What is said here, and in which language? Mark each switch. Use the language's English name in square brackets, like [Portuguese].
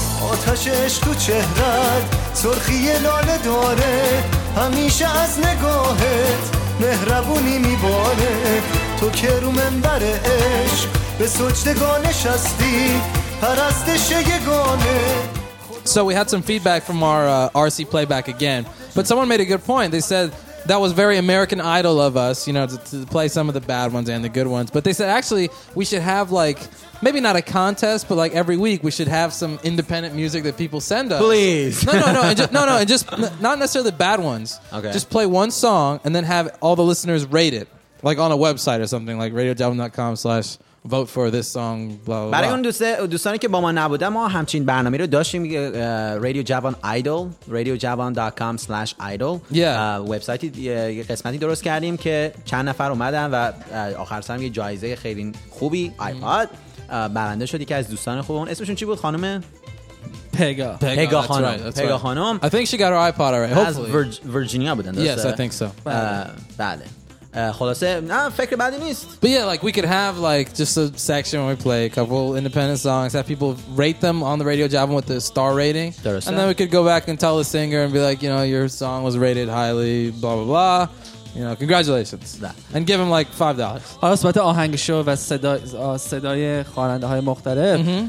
[Persian] آتشش تو چهرت سرخی لاله داره، همیشه از نگاهت مهربونی میباره، تو که رو منبر عشق به سجدگاه نشستی پرستش یگانه. [English] So we had some feedback from our RC playback again, but someone made a good point. They said that was very American Idol of us, you know, to play some of the bad ones and the good ones. But they said actually we should have like maybe not a contest, but like every week we should have some independent music that people send us. Please, no, and just not necessarily bad ones. Okay, just play one song and then have all the listeners rate it, like on a website or something, like radiodevil.com/. Vote for this song. Blah, blah, [Persian] برای اون دوستانی که با ما نبودن، ما همچین برنامه رو داشتیم، رادیو جوان ایدل، radiojavan.com/idol وبسایتی، یه قسمتی درست کردیم که چند نفر اومدن و آخر سر هم یه جایزه خیلی خوبی آیپاد برنده شدی که از دوستان خوبمون. اسمشون چی بود خانم؟ Pega [English] that's خانم. Right, that's Pega خانم. I think she got her iPod already. Hopefully. [Persian] از ورجینیا بودن. [English] Yes, I think so. [Persian] بله. خلاصه نه فکر بدی نیست. [English] But yeah, like we could have like just a section where we play a couple independent songs, have people rate them on the Radio Javan with the star rating. [Persian] درسته. [English] And then we could go back and tell the singer and be like, you know, your song was rated highly, blah blah blah. You know, congratulations. That. And give him like $5. [Persian] حالا صحبت آهنگ شو و صدای خواننده های مختلف.